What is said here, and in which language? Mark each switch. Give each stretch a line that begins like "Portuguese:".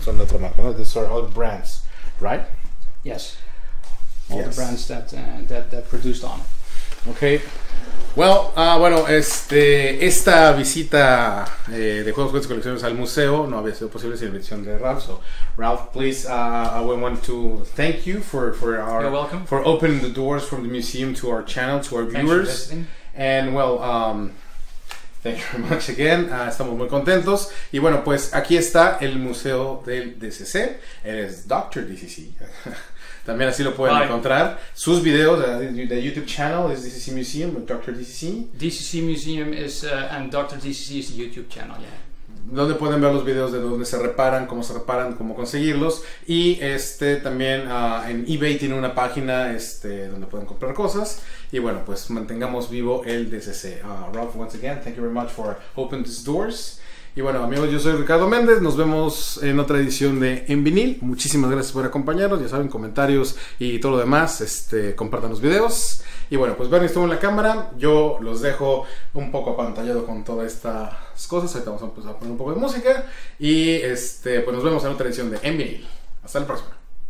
Spanish: son de otra marca, ¿no?
English: These are all brands, right? Yes, all the brands that produced on. Okay.
Spanish: Well, esta visita de Juegos Juguetes y Coleccionables al museo no había sido posible sin la invitación de Ralph.
English: So, Ralph, please, I want to thank you for opening the doors from the museum to our channel, to our viewers. Thanks for listening. And well, thank you very much again.
Spanish: Estamos muy contentos. Y bueno, pues aquí está el Museo del DCC. Eres DrDCC. También así lo pueden encontrar. Sus videos,
English: the YouTube channel is DCC Museum with DrDCC. DCC Museum is, and DrDCC is the YouTube channel, yeah.
Spanish: Donde pueden ver los videos de donde se reparan, cómo conseguirlos. Y también en eBay tiene una página donde pueden comprar cosas. Y bueno, pues mantengamos vivo el DCC.
English: Ralph, once again, thank you very much for opening these doors.
Spanish: Y bueno, amigos, yo soy Ricardo Méndez. Nos vemos en otra edición de En Vinil. Muchísimas gracias por acompañarnos. Ya saben, comentarios y todo lo demás. Compartan los videos. Y bueno, pues Bernie estuvo en la cámara. Yo los dejo un poco apantallado con todas estas cosas. Ahorita vamos a poner un poco de música. Y pues nos vemos en otra edición de En Vinil. Hasta la próxima.